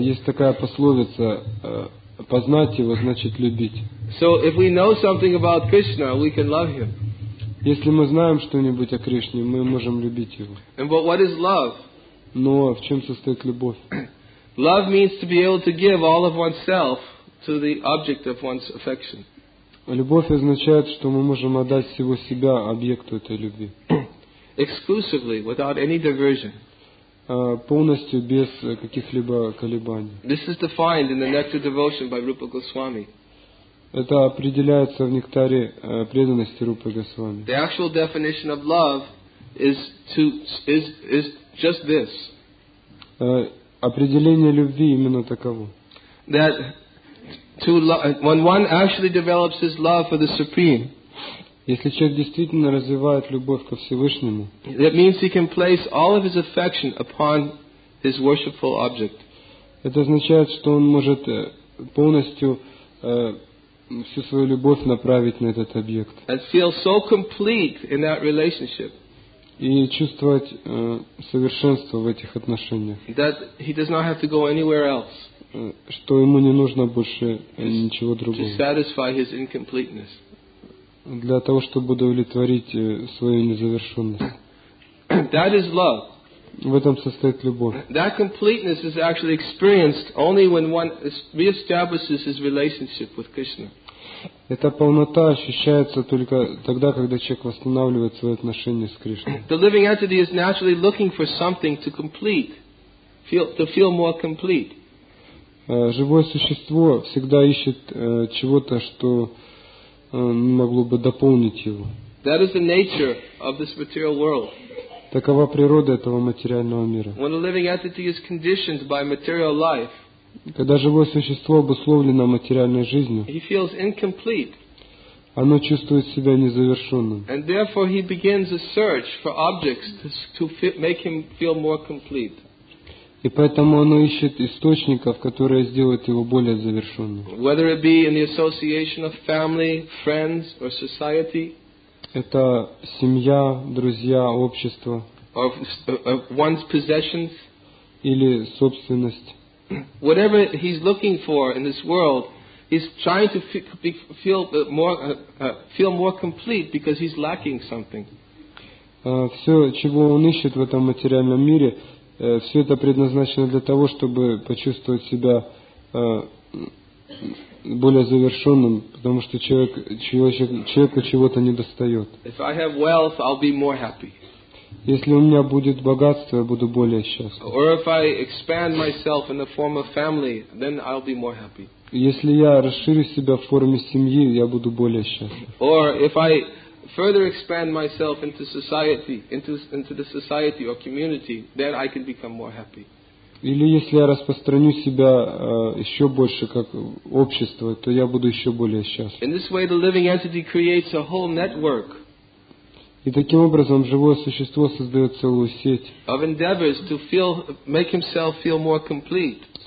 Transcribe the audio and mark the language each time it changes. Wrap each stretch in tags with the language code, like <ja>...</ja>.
<ru>Есть такая пословица: познать его значит любить.</ru> <en>So if we know something about Krishna, we can love him.</en> <ru>Если мы знаем что-нибудь о Кришне, мы можем любить его.</ru> <en>And but what is love?</en> <ru>Но в чем состоит любовь?</ru> <en>Love means to be able to give all of oneself to the object of one's affection.</en> <ru>Любовь означает, что мы можем отдать всего себя объекту этой любви.</ru> <en>Exclusively, without any diversion.</en> <ru>Полностью без каких-либо колебаний.</ru> <en>This is defined in the Nectar Devotion by Rupa Goswami.</en> <ru>Это определяется в нектаре преданности Рупы Госвами.</ru> <en>The actual definition of love is just this.</en> <ru>Определение любви именно таково.</ru> <en>That to when one actually develops his love for the Supreme.</en> <ru>Если человек действительно развивает любовь ко Всевышнему.</ru> <en>That means he can place all of his affection upon his worshipful object.</en> <ru>Это означает, что он может полностью всю свою любовь направить на этот объект.</ru> <en>And feel so complete in that relationship.</en> <ru>И чувствовать совершенство в этих отношениях.</ru> <en>That he does not have to go anywhere else.</en> <ru>Что ему не нужно больше ничего другого.</ru> <en>To satisfy his incompleteness.</en> <ru>Для того, чтобы удовлетворить свою незавершенность.</ru> <en>That is love.</en> <ru>В этом состоит любовь.</ru> <en>That completeness is actually experienced only when one reestablishes his relationship with Krishna.</en> <ru>Эта полнота ощущается только тогда, когда человек восстанавливает свои отношения с Кришной.</ru> <en>The living entity is naturally looking for something to complete, to feel more complete.</en> <ru>Живое существо всегда ищет чего-то, что могло бы дополнить его.</ru> <en>That is the nature of this material world.</en> <ru>Такова природа этого материального мира.</ru> <en>When a living entity is conditioned by material life,</en> <ru>когда живое существо обусловлено материальной жизнью,</ru> <en>he feels incomplete.</en> <ru>Оно чувствует себя незавершенным.</ru> <en>And therefore he begins a search for objects to make him feel more complete.</en> <ru>И поэтому оно ищет источников, которые сделают его более завершенным.</ru> <en>Whether it be in the association of family, friends or society,</en> <ru>это семья, друзья, общество.</ru> <en>Of one's possessions.</en> <ru>Или собственность.</ru> <en>whatever he's looking for in this world, he's trying to feel more complete because he's lacking something.</en> <ru>Все, чего он ищет в этом материальном мире, все это предназначено для того, чтобы почувствовать себя более завершенным, потому что человеку чего-то не достает.</ru> <en>If I have wealth, I'll be more happy.</en> <ru>Если у меня будет богатство, я буду более счастлив.</ru> <en>Or if I expand myself in the form of family, then I'll be more happy.</en> <ru>Если я расширю себя в форме семьи, я буду более счастлив.</ru> <en>Or if I further expand myself into society, into the society or community, then I can become more happy.</en> <ru>Или если я распространю себя еще больше как общество, то я буду еще более счастлив.</ru> <en>In this way, the living entity creates a whole network.</en> <ru>И таким образом живое существо создает целую сеть.</ru> <en>Of endeavors to feel, make himself feel more complete.</en>